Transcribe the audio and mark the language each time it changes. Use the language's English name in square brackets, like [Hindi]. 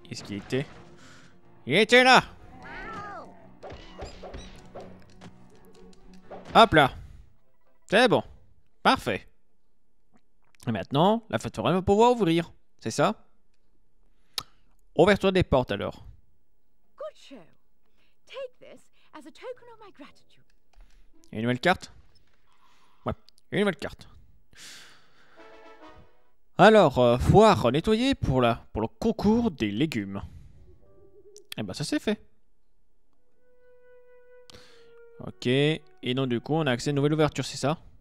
[French] Est-ce qu'il était? Il était là! Hop là. C'est bon. Parfait. Et maintenant, la fête foraine va pouvoir ouvrir, c'est ça? Ouvre-toi des portes alors. [English] Good show. Take this as a token of my gratitude. [French] Et une nouvelle carte? Ouais, une nouvelle carte. Alors, foire nettoyée pour la pour le concours des légumes. Et ben ça c'est fait. Ok, et donc du coup on a accès à une nouvelle ouverture, c'est ça?